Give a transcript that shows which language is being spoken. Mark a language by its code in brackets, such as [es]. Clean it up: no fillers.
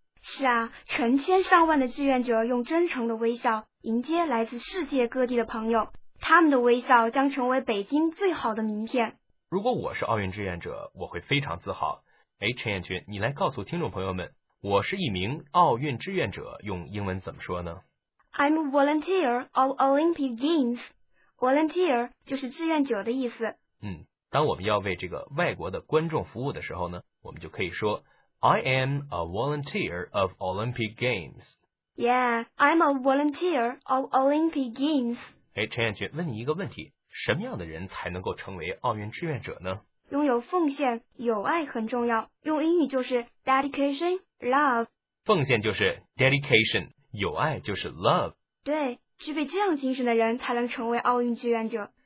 [zh] 是啊，成千上万的志愿者用真诚的微笑迎接来自世界各地的朋友，他们的微笑将成为北京最好的名片。如果我是奥运志愿者，我会非常自豪。哎，陈彦群，你来告诉听众朋友们，我是一名奥运志愿者，用英文怎么说呢？ [en] I'm a volunteer of Olympic Games. [zh] Volunteer 就是志愿者的意思。嗯，当我们要为这个外国的观众服务的时候呢，我们就可以说 [en] I am a volunteer of Olympic Games. Yeah, I'm a volunteer of Olympic Games. [zh] 哎，陈彦群，问你一个问题，什么样的人才能够成为奥运志愿者呢？拥有奉献、友爱很重要，用英语就是 [en] dedication, love. [zh] 奉献就是 dedication, 友爱就是 love. 对。具备这样精神的人才能成为奥运志愿者。